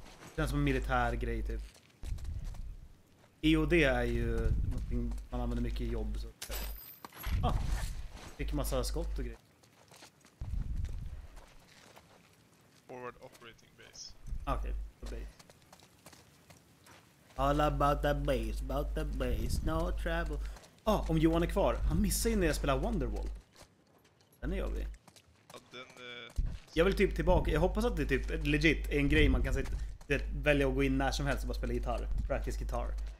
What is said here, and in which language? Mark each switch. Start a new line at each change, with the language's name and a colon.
Swedish: Det känns som en militär grej typ. EOD är ju någonting man använder mycket i jobb. Så. Ah, fick massa skott och grejer.
English: Forward operating base. Okej, okay, the base. All about the base, no trouble.
Swedish: Ah, om Johan är kvar, han missar ju när jag spelar Wonderwall. Den är jobbig. Ja, den Jag vill typ tillbaka, jag hoppas att det är typ legit en grej man kan välja att gå in när som helst och bara spela gitarr.
English: Practice guitar.